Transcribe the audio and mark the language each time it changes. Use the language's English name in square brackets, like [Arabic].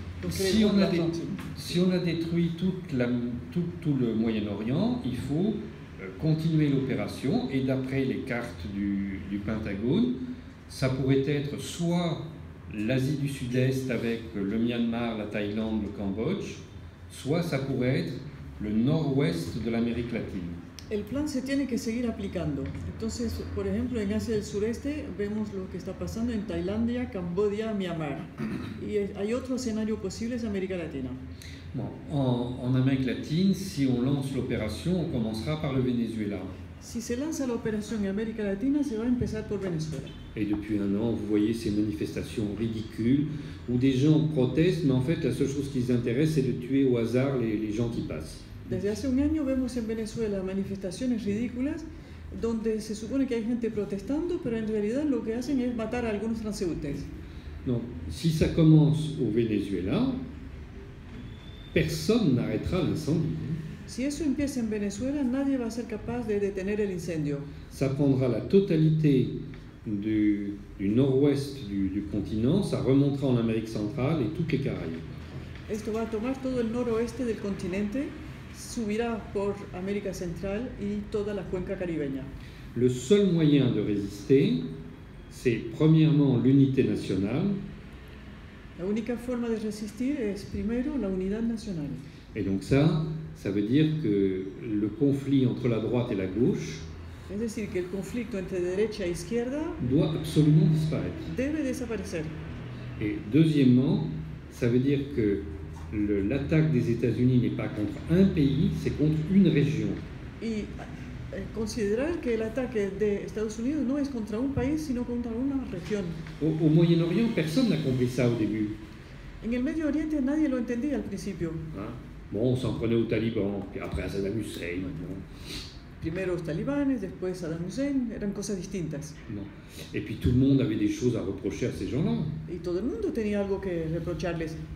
[French] Si on a détruit tout le Moyen-Orient, il faut continuer l'opération. Et d'après les cartes du Pentagone, ça pourrait être soit l'Asie du Sud-Est avec le Myanmar, la Thaïlande, le Cambodge, soit ça pourrait être le nord-ouest de l'Amérique latine. [Spanish] El plan se tiene que seguir aplicando. Entonces, por ejemplo, en Asia del Sureste vemos lo que está pasando en Tailandia, Cambodia, Myanmar. Y hay otro escenario posible, es América Latina. [French] Bon, en América Latina, si on lance l'opération, on commencera par le Venezuela. [Spanish] Si se lanza la operación en América Latina, se va a empezar por Venezuela. [French] Et depuis un an, vous voyez ces manifestations ridicules où des gens protestent, mais en fait, la seule chose qui les intéresse, c'est de tuer au hasard les gens qui passent. [Spanish] Desde hace un año vemos en Venezuela manifestaciones ridículas donde se supone que hay gente protestando, pero en realidad lo que hacen es matar a algunos transeúntes. [French] Donc, si ça commence au Venezuela, personne n'arrêtera l'incendie. [Spanish] Si eso empieza en Venezuela, nadie va a ser capaz de detener el incendio. [French] Ça prendra la totalité du nord-ouest du continent, ça remontera en Amérique centrale et toutes les Caraïbes. [Spanish] Esto va a tomar todo el noroeste del continente. Subirá por América Central y toda la cuenca caribeña. [French] Le seul moyen de résister, c'est premièrement l'unité nationale. [Spanish] La única forma de resistir es primero la unidad nacional. [French] Et donc ça veut dire que le conflit entre la droite et la gauche, [Spanish] es decir, que el conflicto entre derecha e izquierda, [French] doit absolument disparaître. [Spanish] Debe desaparecer. [French] Et deuxièmement, ça veut dire que l'attaque des États-Unis n'est pas contre un pays, c'est contre une région. Et considérer que l'attaque des États-Unis non est contre un pays, sino contre une région. Au Moyen-Orient, personne n'a compris ça au début. [Spanish] En el Medio Oriente nadie lo entendía al principio. [French] Bon, on s'en prenait aux talibans, puis après à Saddam Hussein. Bon. [Spanish] Primero los talibanes, después Saddam Hussein, eran cosas distintas. [French] Non. Et puis tout le monde avait des choses à reprocher à ces gens-là. [Spanish] Y todo el mundo tenía algo que reprocharles.